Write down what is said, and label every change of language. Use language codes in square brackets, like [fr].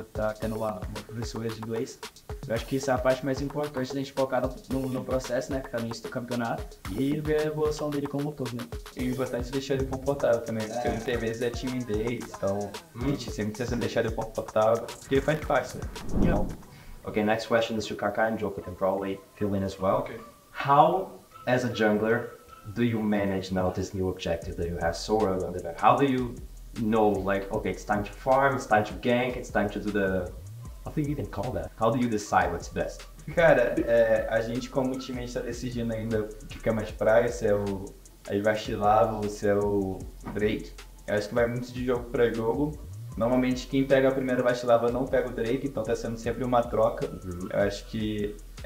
[pt] tá tendo uma professora de inglês. Eu acho que isso é a parte mais importante da gente focar no processo, né? Que tá no início do campeonato e ver a evolução dele como um todo, né? E o importante é deixar ele confortável também, porque ele tem vezes é timidez, então a gente sempre precisa deixar ele confortável, porque ele faz parte, né? [en] Yeah. Okay, next question is to Kaká, and Joker can probably fill in as well. Okay. How, as a jungler, do you manage now this new objective that you have so early on the map? How do you know, like, okay, it's time to farm, it's time to gank, it's time to do the... I think you can call that. How do you decide what's best? [pt] Cara, a gente como time está decidindo ainda o que é mais praga, se é o Ivashilava ou se é o Drake. Eu acho que vai muito de jogo para jogo. Normalmente quem pega a primeira Ivashilava não pega o Drake, então tá sendo sempre uma troca. Eu acho que...